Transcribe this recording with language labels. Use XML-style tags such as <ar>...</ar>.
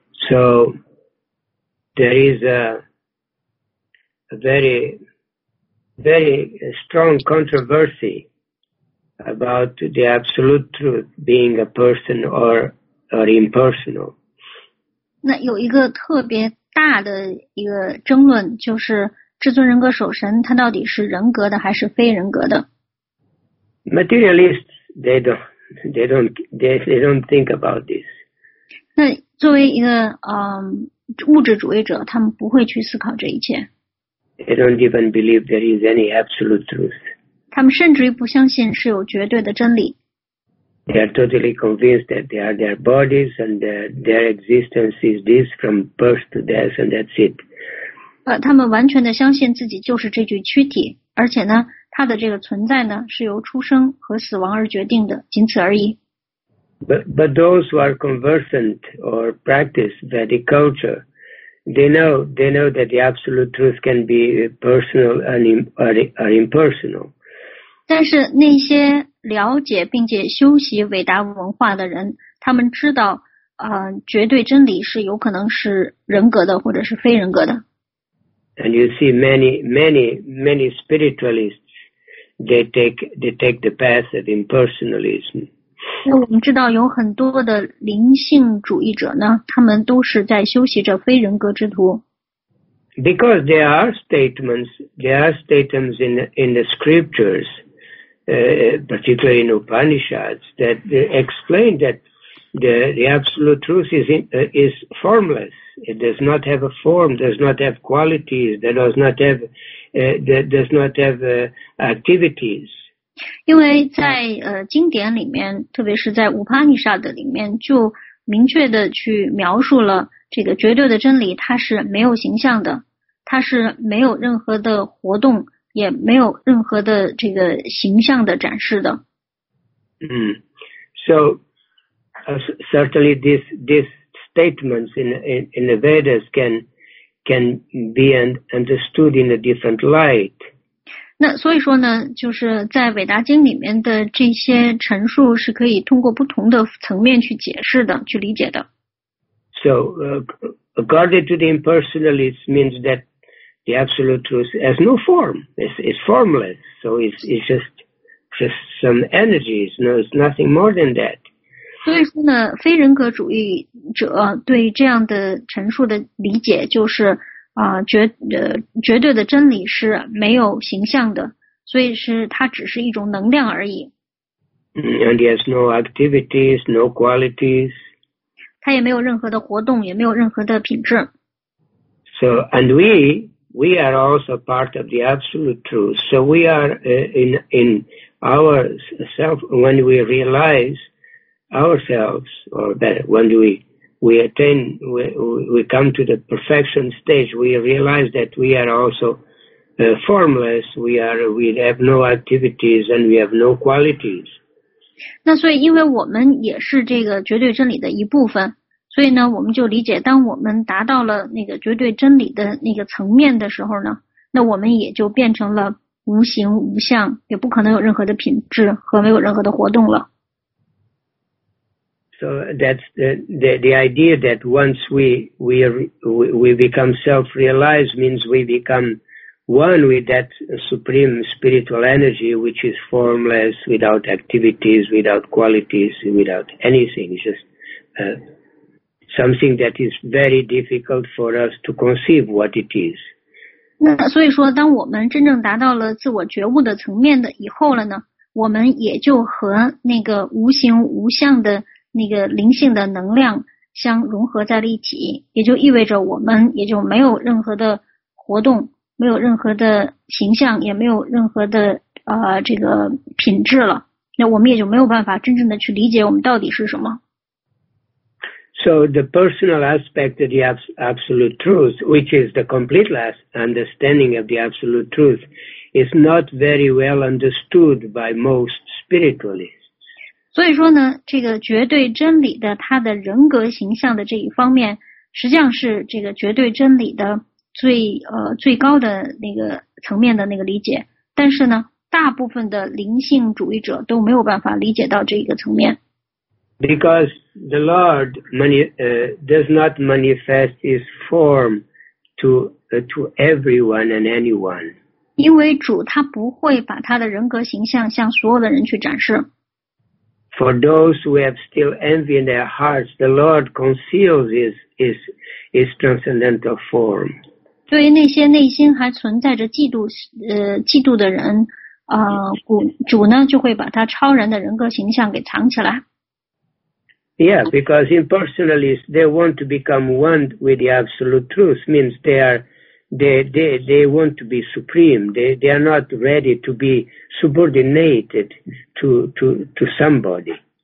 <en>So there is a very, very strong controversy about the absolute truth being a person or impersonal.</en> <zh>那有一个特别大的一个争论，就是至尊人格守神，他到底是人格的还是非人格的</zh> <en>？Materialists, they don't. They don't think about this.</en> <zh>那作为一个物质主义者，他们不会去思考这一切。</zh> <en>They don't even believe there is any absolute truth.</en> <zh>他们甚至于不相信是有绝对的真理。</zh> <en>They are totally convinced that they are their bodies and their existence is this from birth to death and that's it.</en> <zh>他们完全的相信自己就是这具躯体，而且呢，他的这个存在呢，是由出生和死亡而决定的，仅此而已。</zh> <en>But those who are conversant or practice Vedic culture, they know that the absolute truth can be personal or impersonal.</en> <zh>但是那些了解并且修习伟达文化的人，他们知道，绝对真理是有可能是人格的或者是非人格的。</zh> <en>And you see many spiritualists, they take the path of impersonalism.</en> <zh>那我们知道有很多的灵性主义者呢，他们都是在修习着非人格之途。</zh> <en>Because there are statements in the scriptures,particularly in Upanishads, that explain that the absolute truth is formless. It does not have a form, does not have qualities, does not have activities.</en> <zh>因为在经典里面，特别是在 Upanishad 里面，就明确的去描述了这个绝对的真理，它是没有形象的，它是没有任何的活动，也没有任何的这个形象的展示的。</zh> <en>Certainly these statements in the Vedas can be understood in a different light.</en> <zh>那所以说呢，就是在伟达经里面的这些陈述是可以通过不同的层面去解释的，去理解的。</zh> <en>So, according to the impersonalists, means that the absolute truth has no form. It's formless. So it's just some energies. No, it's nothing more than that.</en> <zh>所以说呢，非人格主义者对这样的陈述的理解就是。绝对的真理是没有形象的，所以是它只是一种能量而已。</zh> <en>And he has no activities, no qualities.</en> <zh>它也没有任何的活动，也没有任何的品质。</zh> <en>So, and we are also part of the absolute truth. So we are in our self, when we realize ourselves, or better, when we come to the perfection stage, we realize that we are also formless, we have no activities and we have no qualities.</en> <zh>那所以因为我们也是这个绝对真理的一部分，所以呢我们就理解当我们达到了那个绝对真理的那个层面的时候呢，那我们也就变成了无形无相，也不可能有任何的品质和没有任何的活动了。</zh> <en>So that's the idea that once we become self-realized means we become one with that supreme spiritual energy which is formless, without activities, without qualities, without anything. It's just something that is very difficult for us to conceive what it is.</en> <zh>那所以说，当我们真正达到了自我觉悟的层面的以后了呢，我们也就和那个无形无相的那个灵性的能量相融合在了一起，也就意味着我们也就没有任何的活动，没有任何的形象，也没有任何的这个品质了。那我们也就没有办法真正的去理解我们到底是什么。</zh> <en>So the personal aspect of the absolute truth, which is the complete understanding of the absolute truth, is not very well understood by most spiritualists.</en> <zh>所以说呢，这个绝对真理的它的人格形象的这一方面，实际上是这个绝对真理的最高的那个层面的那个理解。但是呢，大部分的灵性主义者都没有办法理解到这一个层面。</zh> <en>Because the Lord does not manifest His form to everyone and anyone.</en> <zh>因为主他不会把他的人格形象向所有的人去展示。</zh> <en>For those who have still envy in their hearts, the Lord conceals his transcendental form.</en> <zh>对于那些内心还存在着嫉妒的人，主呢就会把他超然的人格形象给藏起来。</zh> <en>Yeah, because impersonalists, they want to become one with the absolute truth, means they want to be supreme. They are not ready to be subordinated to somebody.</en>